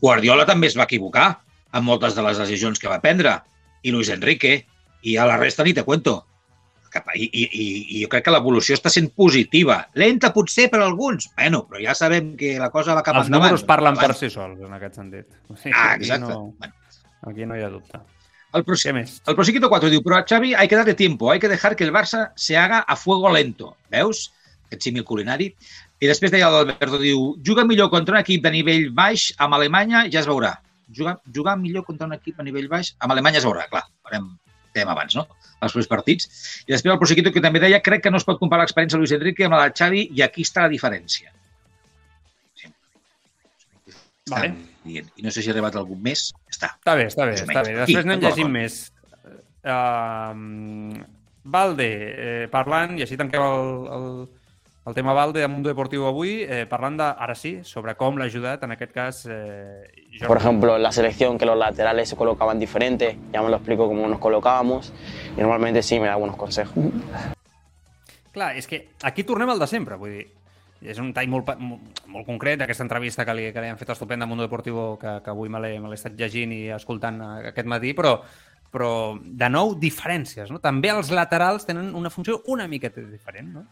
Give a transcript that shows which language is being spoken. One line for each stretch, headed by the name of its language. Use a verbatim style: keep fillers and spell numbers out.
Catalan: Guardiola també es va equivocar en moltes de les decisions que va prendre. I Luis Enrique, i a la resta
Spanish: ni te cuento.
Catalan: I, i, i jo crec que l'evolució està sent positiva. Lenta potser per alguns, bueno, però ja sabem que la cosa va cap endavant. Els números parlen per si sols, en aquest sentit. O sigui, ah, exacte. Aquí no, aquí no hi ha dubte. El, pro... el Prosiquito cuatro diu, però Xavi,
Spanish: hay que darle tiempo, hay que dejar que el Barça se haga a fuego lento.
Catalan: Veus? Aquest símil culinari. I després deia l'Alberto, diu, juga millor contra un equip de nivell baix amb Alemanya, ja es veurà. Juga, jugar millor contra un equip de nivell baix amb Alemanya es veurà, clar, farem tema abans, no? Els primers partits. I després el Prosiquito, que també deia, crec que no es pot comparar l'experiència de Luis Enrique amb la de Xavi i aquí està la diferència. Sí. Vale. I no sé si ha arribat algun més. Està. Està bé, està bé. Està bé. Després anem llegint més. Uh, Valde, eh, parlant, i així tanquem el, el, el tema Valde de Mundo Deportivo avui, eh, parlant, de, ara sí, sobre com l'ha ajudat, en aquest cas... Eh, Jordi.
Spanish: Por ejemplo, en la selección que los laterales se colocaban diferentes, ya me lo explico cómo nos colocábamos y normalmente sí me da algunos consejos.
Catalan: Clar, és que aquí tornem al de sempre, vull dir, És un tall molt, molt, molt concret, aquesta entrevista que li, que li han fet estupenda a Mundo Deportivo, que, que avui me l'he, me l'he estat llegint i escoltant aquest matí, però, però de nou, diferències. No? També els laterals tenen una funció una miqueta diferent, no?